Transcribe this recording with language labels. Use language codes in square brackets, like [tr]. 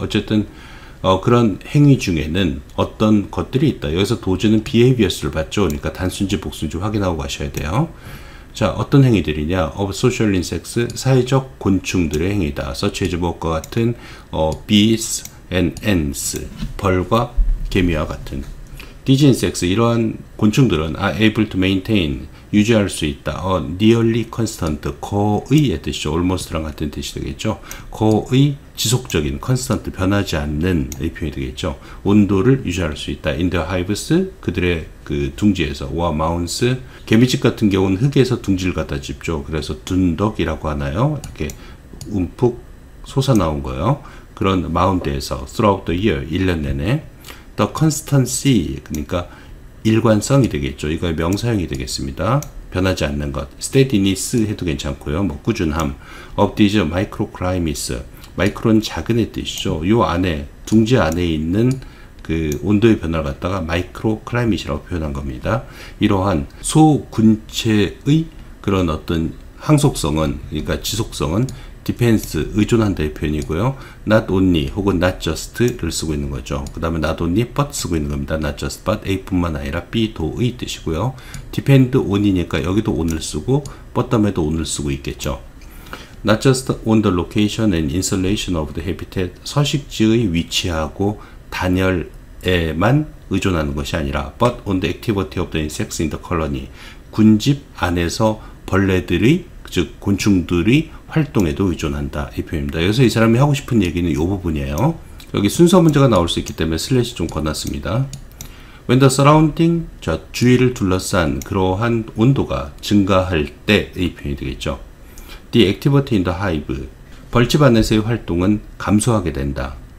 [ko] 어쨌든 그런 행위 중에는 어떤 것들이 있다. 여기서 도즈는 behaviors를 받죠. 그러니까 단순지 복수인지 확인하고 가셔야 돼요. 자, 어떤 행위들이냐. [en] of social insects, [ko] 사회적 곤충들의 행위다. [en] such as [ko] 뭐과 같은 [en] bees, and ants, [ko] 벌과 개미와 같은. [en] these insects, [ko] 이러한 곤충들은 [en] are able to maintain, [ko] 유지할 수 있다. [en] nearly constant, [ko] 거의의 뜻이죠. almost랑 같은 뜻이 되겠죠. 거의 지속적인, constant, 변하지 않는 의 표현이 되겠죠. 온도를 유지할 수 있다. [en] in the hives, [ko] 그들의 그 둥지에서, [en] or mounds, [ko] 개미집 같은 경우는 흙에서 둥지를 갖다 집죠. 그래서 둔덕이라고 하나요? 이렇게 움푹 솟아 나온 거예요. 그런 마운드에서 [en] throughout the year, [ko] 1년 내내. [en] The constancy, [ko] 그러니까 일관성이 되겠죠. 이거의 명사형이 되겠습니다. 변하지 않는 것. steadiness 해도 괜찮고요. 뭐 꾸준함. [en] of these microclimates, [ko] 마이크로는 작은의 뜻이죠. 요 안에, 둥지 안에 있는 그 온도의 변화를 갖다가 microclimate이라고 표현한 겁니다. 이러한 소군체의 그런 어떤 항속성은, 그러니까 지속성은 depends, 의존한다의 표현이고요. not only 혹은 not just를 쓰고 있는 거죠. 그 다음에 not only but 쓰고 있는 겁니다. not just but a뿐만 아니라 b도의 뜻이고요. depend on이니까 여기도 on을 쓰고 but 다음에도 on을 쓰고 있겠죠. [en] not just on the location and installation of the habitat, [ko] 서식지의 위치하고 단열에만 의존하는 것이 아니라 [en] but on the activity of the insects in the colony, [ko] 군집 안에서 벌레들의, 즉 곤충들이 활동에도 의존한다, 이 표현입니다. 여기서 이 사람이 하고 싶은 얘기는 이 부분이에요. 여기 순서 문제가 나올 수 있기 때문에 슬래시 좀 건넜습니다. [en] When the surrounding, [ko] 자, 주위를 둘러싼 그러한 온도가 증가할 때의 표현이 되겠죠. [en] The activity in the hive, [ko] 벌집 안에서의 활동은 감소하게 된다.